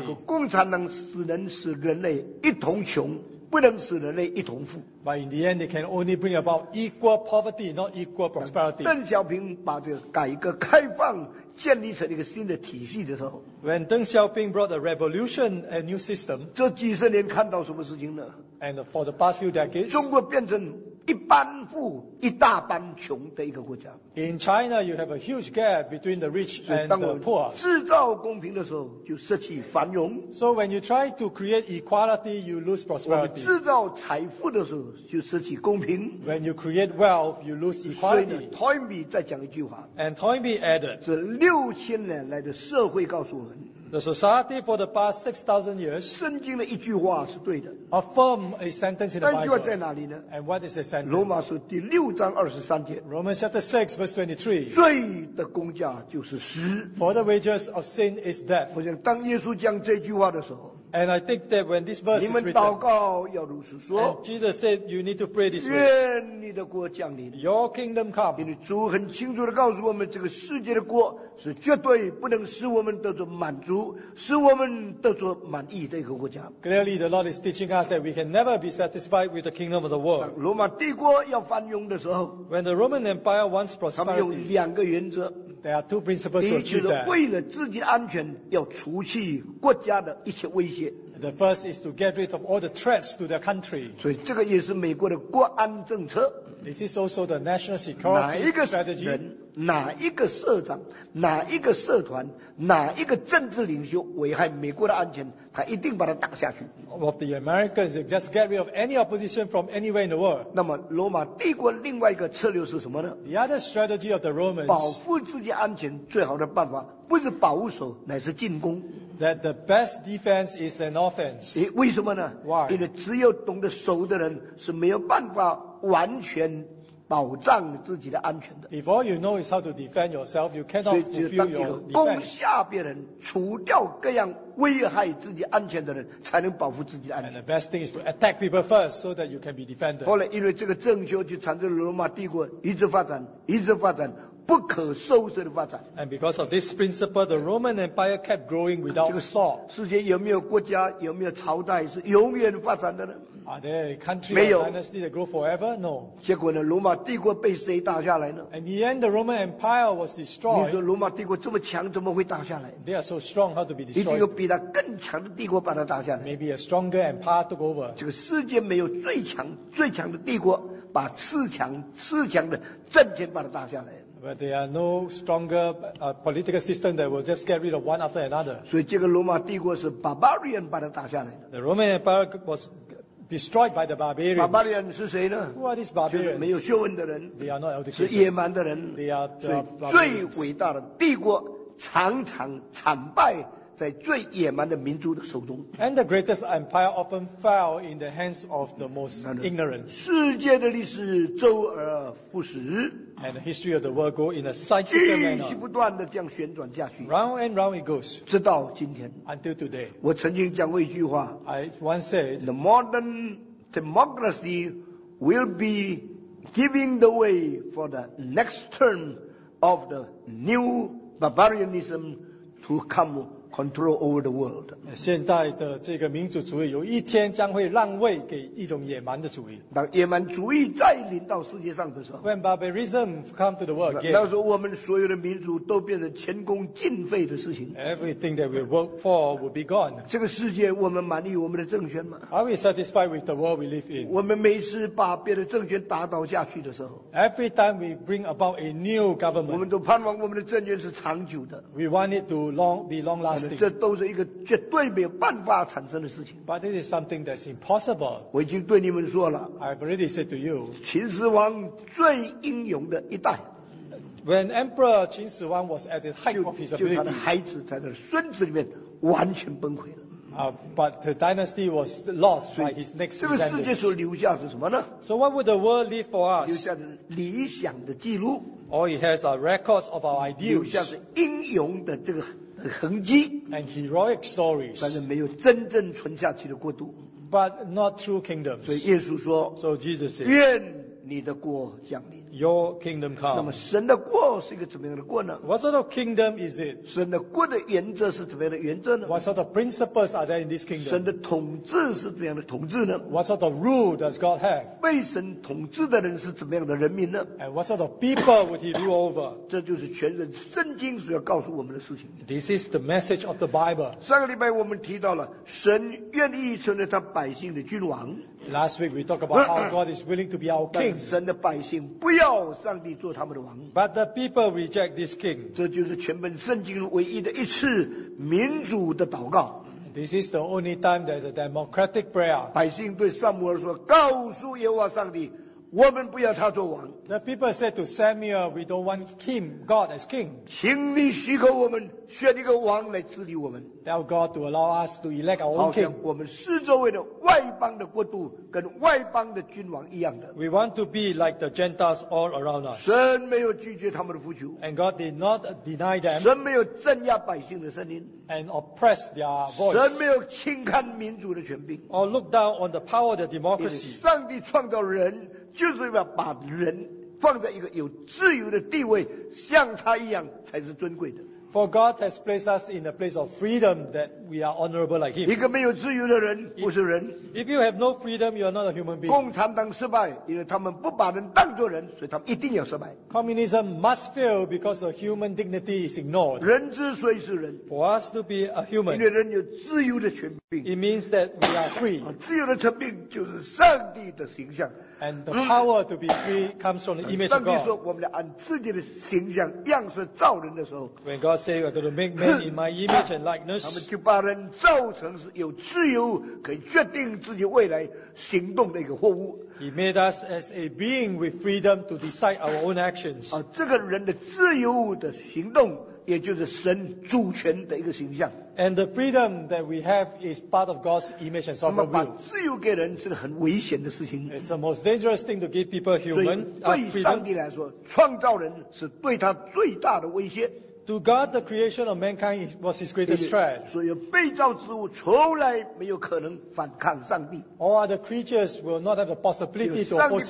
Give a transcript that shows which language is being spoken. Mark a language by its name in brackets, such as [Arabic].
[Chinese] 结果共产党只能使人类一同穷，不能使人类一同富。 [English] But in the end, they can only bring about equal poverty, not equal prosperity. [Chinese] 邓小平把这个改革开放建立成一个新的体系的时候， [English] When Deng Xiaoping brought a revolution, a new system, [Chinese] 这几十年看到什么事情呢？ [English] And for the past few decades, [Chinese] 中国变成一半富一大半穷的一个国家。 [English] In China, you have a huge gap between the rich and the poor. [Chinese] 制造公平的时候就失去繁荣。 [English] So when you try to create equality, you lose prosperity. [Chinese] 制造财富的时候就失去公平。 [English] When you create wealth, you lose equality. [Chinese] 所以 Toynbee 再讲一句话。 [English] And Toynbee added, [Chinese] 这六千年来的社会告诉我们， [English] The society for the past 6,000 years, [Chinese] 圣经的一句话是对的。 [English] Affirm a sentence in the Bible. [Chinese] 那句话在哪里呢？ [English] And what is the sentence? [Chinese] 罗马书第六章二十三节。 [English] Romans chapter 6 verse 23. [Chinese] 罪的工价就是死。 [English] For the wages of sin is death. [Chinese] 我想当耶稣讲这句话的时候， [English] And I think that when this verse is written, [Chinese] 你们祷告要如此说， [English] Jesus said you need to pray this way. [Chinese] 愿你的国降临。 [English] Your kingdom come. [Chinese] 因为主很清楚地告诉我们，这个世界的国是绝对不能使我们得着满足，使我们得着满意的一个国家。 [English] Clearly the Lord is teaching us that we can never be satisfied with the kingdom of the world. [Chinese] 当罗马帝国要繁荣的时候， [English] When the Roman Empire wants prosperity, [Chinese] 他们有两个原则。 [English] There are two principles to achieve that. [Chinese] 为了自己的安全，要除去国家的一切威胁。 [English] The first is to get rid of all the threats to their country. [Chinese] 所以这个也是美国的国安政策。 [English] This is also the national security strategy. [Chinese] 哪一个人，哪一个社长，哪一个社团，哪一个政治领袖危害美国的安全，他一定把他打下去。 [English] Of the Americans, just get rid of any opposition from anywhere in the world. [Chinese] 那么罗马帝国另外一个策略是什么呢？ [English] The other strategy of the Romans, [Chinese] 保护自己安全最好的办法不是保守，乃是进攻。 [English] That the best defense is an offense. [Chinese] 为什么呢？ [English] Why? [Chinese] 因为只有懂得守的人是没有办法完全保障自己的安全的。 [English] If all you know is how to defend yourself, you cannot fulfill your defense. [Chinese] 所以就是当一个攻下别人，除掉各样危害自己安全的人，才能保护自己的安全。 [English] And the best thing is to attack people first, so that you can be defended. [Chinese] 后来因为这个政修就产生了罗马帝国一直发展，一直发展。不可收拾的发展。 [English] And because of this principle, the Roman Empire kept growing without stop. [Chinese] 世界有没有国家，有没有朝代是永远发展的呢？ [English] Are there a country or dynasty that grow forever? No. [Chinese] 结果呢，罗马帝国被谁打下来呢？ [English] In the end, the Roman Empire was destroyed. [Chinese] 你说罗马帝国这么强，怎么会打下来？ [English] They are so strong, how to be destroyed? [Chinese] 一定有比他更强的帝国把它打下来。 [English] Maybe a stronger empire took over. [Chinese] 这个世界没有最强，最强的帝国把次强，次强的政权把它打下来。 [English] But there are no stronger political system that will just get rid of one after another. [Chinese] 所以这个罗马帝国是 barbarian 把它打下来的。 [English] The Roman Empire was destroyed by the barbarians. [Chinese] Barbarian 是谁呢？ [English] Who are these barbarians? [Chinese] 就是没有学问的人。 [English] They are not educated. [Chinese] 是野蛮的人。 [English] They are. [Chinese] 所以最伟大的帝国常常惨败在最野蛮的民族的手中。 [English] And the greatest empire often fell in the hands of the most ignorant. [Chinese] 世界的历史周而复始。 [English] And the history of the world go in a cyclical manner. [Chinese] 继续不断的这样旋转下去。 [English] Round and round it goes. [Chinese] 直到今天。 [English] Until today. [Chinese] 我曾经讲过一句话。 [English] I once said, the modern democracy will be giving the way for the next term of the new barbarianism to come control over the world. [Chinese] 现在的这个民主主义有一天将会让位给一种野蛮的主义。当野蛮主义再临到世界上的时候 [English] ，When barbarism come to the world again， [Chinese] 那时候我们所有的民主都变成前功尽废的事情。 [English] Everything that we work for will be gone。 [Chinese] 这个世界我们满意我们的政权吗 [English] ？Are we satisfied with the world we live in？ [Chinese] 我们每次把别的政权打倒下去的时候 [English] ，Every time we bring about a new government， [Chinese] 我们都盼望我们的政权是长久的。 [English] We want it to long be long lasting。 [Chinese] 这都是一个绝对没有办法产生的事情。 [English] But it is something that's impossible. [Chinese] 我已经对你们说了。 [English] I've already said to you. [Chinese] 秦始皇最英勇的一代。 [English] When Emperor 秦始皇 was at the height of his ability, [Chinese] 就他的孩子在那孙子里面完全崩溃了。 [English] But the dynasty was lost by his next descendants. [Chinese] 这个世界所留下是什么呢 [English] ？So what would the world leave for us? [Chinese] 留下理想的记录。 [English] All it has are records of our ideals. [Chinese] 留下是英勇的这个。痕迹 [English] and heroic stories, [Chinese] 但是没有真正存下去的国度 [English] but not true kingdoms. [Chinese] 所以耶稣说 [English] so Jesus said, [Chinese] 愿你的国降临 [English] your kingdom come. [Chinese] 那么神的国是一个怎么样的国呢 [English] what sort of kingdom is it? [Chinese] 神的国的原则是怎么样的原则呢 [English] what sort of principles are there in this kingdom? [Chinese] 神的统治是怎么样的统治呢 [English] what sort of rule does God have? [Chinese] 被神统治的人是怎么样的人民呢 [English] and what sort of people would he rule over? [Chinese] 这就是全人圣经所要告诉我们的事情 [English] this is the message of the Bible. [Chinese] 上个礼拜我们提到了神愿意成为他百姓的君王 [English] Last week we talked about how God is willing to be our king. [Chinese] 但神的百姓不要上帝做他们的王。 [English] But the people reject this king. [Chinese] 这就是全本圣经唯一的一次民主的祷告。 [English] This is the only time there's a democratic prayer. [Chinese] 百姓对撒母耳说：“告诉耶和华上帝，我们不要他做王。” [English] The people said to Samuel, "We don't want him, God, as king." [Chinese] 请你许可我们选一个王来治理我们。 [English] Tell God to allow us to elect our own king. [Chinese] 好像我们四周围的外邦的国度跟外邦的君王一样的。 [English] We want to be like the Gentiles all around us. [Chinese] 神没有拒绝他们的呼求。 [English] And God did not deny them. [Chinese] 神没有镇压百姓的声音。 [English] And oppress their voice. [Chinese] 神没有轻看民主的权柄。 [English] Or look down on the power of the democracy. [Chinese] 因为上帝创造人就是要把人放在一个有自由的地位，像他一样才是尊贵的。 [English] For God has placed us in a place of freedom that we are honorable like Him. [Chinese] 一个没有自由的人不是人。 [English] If you have no freedom, you are not a human being. [Chinese] 共产党失败，因为他们不把人当作人，所以他们一定要失败。 [English] Communism must fail because the human dignity is ignored. [Chinese] 人之所以是人 [English] ，For us to be a human, [Chinese] 因为人有自由的权柄 [English] ，It means that we are free. [Chinese] 自由的权柄就是上帝的形象。 [English] And the power to be free comes from the image of God. [Chinese] 上帝说我们要按自己的形象样式造人的时候 [English] ，When God say we're going to make man in my image and likeness， [Chinese] 他们就把人造成是有自由可以决定自己未来行动的一个货物。 [English] He made us as a being with freedom to decide our own actions. [Chinese] 啊，这个人的自由的行动，也就是神主权的一个形象。 [English] And the freedom that we have is part of God's image and sovereign will. [Chinese] 那么把自由给人是个很危险的事情。 [English] It's the most dangerous thing to give people human freedom. [Chinese] 所以对上帝来说，创造人是对他最大的威胁。 [English] To God, the creation of mankind was his greatest threat. [Chinese] 所以被造之物从来没有可能反抗上帝。 [English] All other creatures will not have the possibility to oppose him.